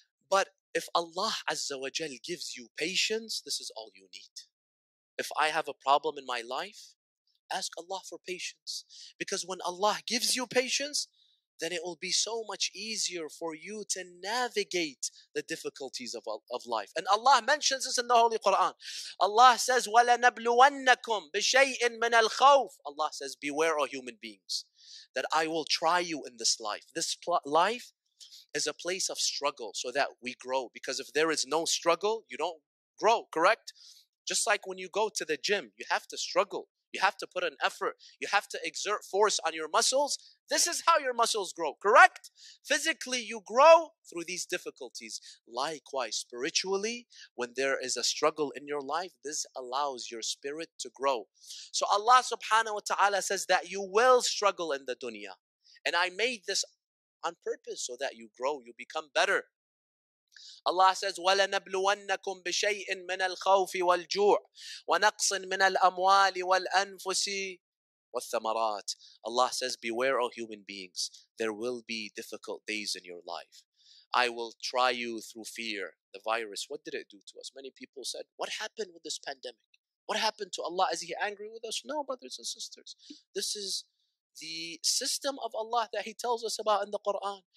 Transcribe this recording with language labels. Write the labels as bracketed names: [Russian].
[English] But if Allah Azza wa Jal gives you patience, this is all you need. If I have a problem in my life, ask Allah for patience. Because when Allah gives you patience, then it will be so much easier for you to navigate the difficulties of life. And Allah mentions this in the Holy Quran. Allah says, [Arabic] وَلَنَبْلُوَنَّكُمْ بِشَيْءٍ مِنَ الْخَوْفِ. [English] Allah says, beware, O human beings, that I will try you in this life. This life is a place of struggle so that we grow. Because if there is no struggle, you don't grow, correct? Just like when you go to the gym, you have to struggle. You have to put an effort. You have to exert force on your muscles. This is how your muscles grow, correct? Physically, you grow through these difficulties. Likewise, spiritually, when there is a struggle in your life, this allows your spirit to grow. So Allah subhanahu wa ta'ala says that you will struggle in the dunya. And I made this on purpose so that you grow, you become better. Allah says, [Arabic] وَلَنَبْلُوَنَّكُمْ بِشَيْءٍ مِنَ الْخَوْفِ وَالْجُوعِ وَنَقْصٍ مِنَ الْأَمْوَالِ وَالْأَنفُسِ وَالثَّمَرَاتِ. [English] Allah says, beware, O human beings, there will be difficult days in your life. I will try you through fear. The virus, what did it do to us? Many people said, what happened with this pandemic? What happened to Allah? Is He angry with us? No, brothers and sisters. This is the system of Allah that He tells us about in the Quran.